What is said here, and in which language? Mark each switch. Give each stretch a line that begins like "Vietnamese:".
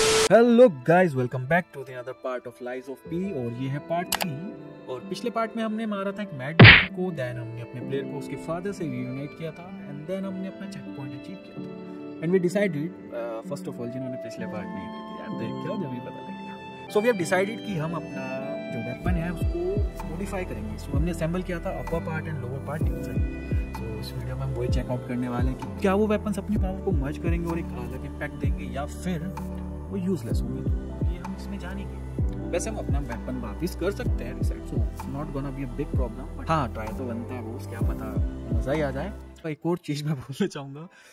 English: Hello guys, welcome back to the another part of Lies of P.
Hindi: और ये है part 3. और पिछले part में हमने मारा था एक mad dog को,
English: then
Hindi: हमने अपने player को उसके father से reunite किया था,
English: and then
Hindi: हमने अपना checkpoint achieve किया था.
English: And we decided, first of all,
Hindi: जिन्होंने पिछले part नहीं देखा, यार देख क्या जब ही पता लगेगा.
English: So we have decided
Hindi: कि हम अपना जो weapon है उसको modify करेंगे.
English: So
Hindi: हमने
English: assemble
Hindi: किया था
English: upper part and lower part inside.
Hindi: इस वीडियो में हम वही चेकआउट करने वाले हैं कि क्या वो वेपन्स अपनी पावर को मर्ज करेंगे और एक अलग इम्पैक्ट देंगे या फिर वो यूजलेस होंगे. हम इसमें जानेंगे. वैसे हम अपना वेपन वापस कर सकते हैं reset,
English: So not gonna be a big problem.
Hindi: हाँ, ट्राई तो बनता है, क्या पता मज़ा ही आ जाए. तो एक और चीज़ मैं बोलना चाहूँगा.